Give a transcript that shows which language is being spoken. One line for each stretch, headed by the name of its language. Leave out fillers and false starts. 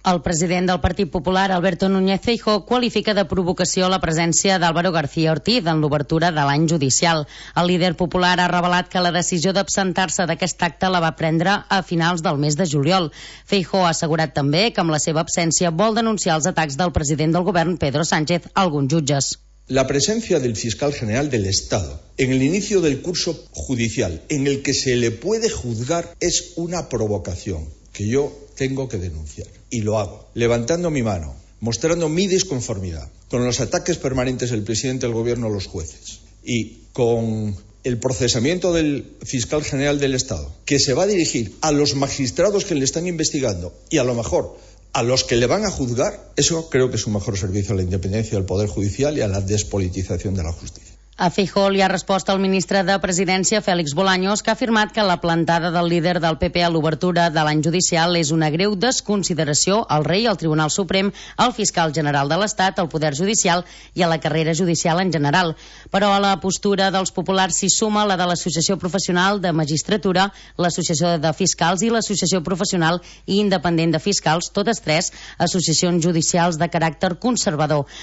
Catalan: El president del Partit Popular, Alberto Núñez Feijóo, qualifica de provocació la presència d'Álvaro García Ortiz en l'obertura de l'any judicial. El líder popular ha revelat que la decisió d'absentar-se d'aquest acte la va prendre a finals del mes de juliol. Feijóo ha assegurat també que amb la seva absència vol denunciar els atacs del president del govern Pedro Sánchez,
Spanish: algunos jueces. La presencia del fiscal general del Estado en el inicio del curso judicial en el que se le puede juzgar es una provocación que yo tengo que denunciar. Y lo hago, levantando mi mano, mostrando mi disconformidad con los ataques permanentes del presidente del gobierno a los jueces y con el procesamiento del fiscal general del Estado, que se va a dirigir a los magistrados que le están investigando y a lo mejor a los que le van a juzgar. Eso creo que es un mejor servicio a la independencia del Poder Judicial y a la despolitización de la justicia.
Catalan: A Feijóo li ha respost el ministre de Presidència, Félix Bolaños, que ha afirmat que la plantada del líder del PP a l'obertura de l'any judicial és una greu desconsideració al rei, al Tribunal Suprem, al fiscal general de l'Estat, al Poder Judicial i a la carrera judicial en general. Però a la postura dels populars s'hi suma la de l'Associació Professional de Magistratura, l'Associació de Fiscals i l'Associació Professional i Independent de Fiscals, totes tres associacions judicials de caràcter conservador.